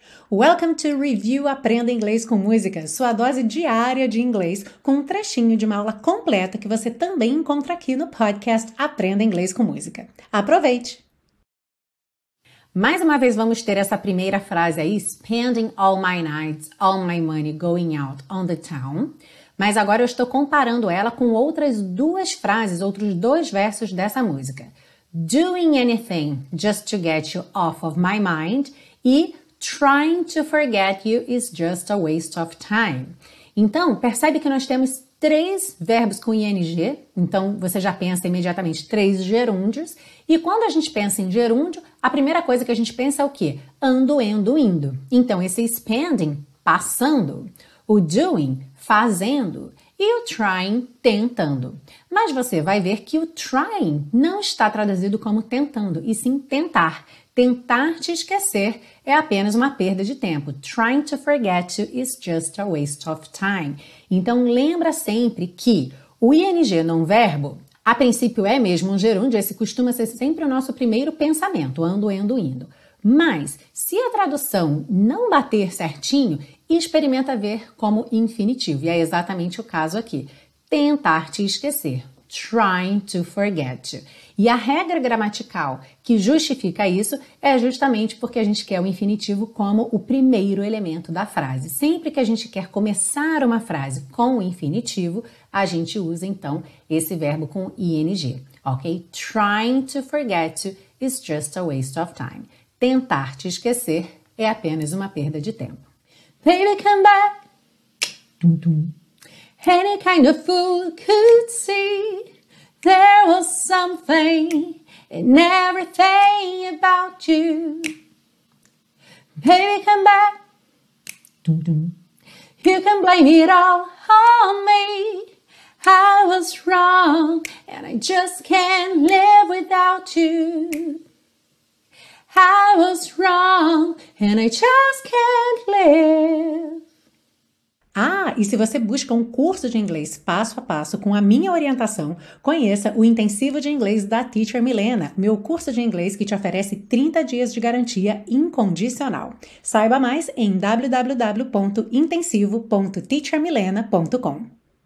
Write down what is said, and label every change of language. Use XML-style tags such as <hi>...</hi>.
<en>Welcome to</en> <pt>Review Aprenda Inglês com Música, sua dose diária de inglês, com um trechinho de uma aula completa que você também encontra aqui no podcast Aprenda Inglês com Música. Aproveite! Mais uma vez vamos ter essa primeira frase aí,</pt> <en>spending all my nights, all my money going out on the town.</en> <pt>Mas agora eu estou comparando ela com outras duas frases, outros dois versos dessa música.</pt> <en>Doing anything just to get you off of my mind e trying to forget you is just a waste of time.</en> <pt>Então, percebe que nós temos três verbos com ing, então você já pensa imediatamente três gerúndios. E quando a gente pensa em gerúndio, a primeira coisa que a gente pensa é o quê? Ando, endo, indo. Então, esse spending, passando, o doing, fazendo, e o trying, tentando. Mas você vai ver que o trying não está traduzido como tentando, e sim tentar. Tentar te esquecer é apenas uma perda de tempo.</pt> <en>Trying to forget you is just a waste of time.</en> <pt>Então, lembra sempre que o ing num verbo, a princípio é mesmo um gerúndio, esse costuma ser sempre o nosso primeiro pensamento, ando, endo, indo. Mas, se a tradução não bater certinho, experimenta ver como infinitivo. E é exatamente o caso aqui. Tentar te esquecer.</pt> <en>Trying to forget you.</en> <pt>E a regra gramatical que justifica isso é justamente porque a gente quer o infinitivo como o primeiro elemento da frase. Sempre que a gente quer começar uma frase com o infinitivo, a gente usa então esse verbo com ing, ok?</pt> <en>Trying to forget you is just a waste of time.</en> <pt>Tentar te esquecer é apenas uma perda de tempo.</pt> <en>Baby, come back. Tum-tum. Any kind of fool could see there was something in everything about you. Baby, come back. Dum-dum. You can blame it all on me. I was wrong and I just can't live without you. I was wrong and I just can't live.</en> <pt>Ah, e se você busca um curso de inglês passo a passo com a minha orientação, conheça o Intensivo de Inglês da Teacher Milena, meu curso de inglês que te oferece 30 dias de garantia incondicional. Saiba mais em www.intensivo.teachermilena.com.</pt>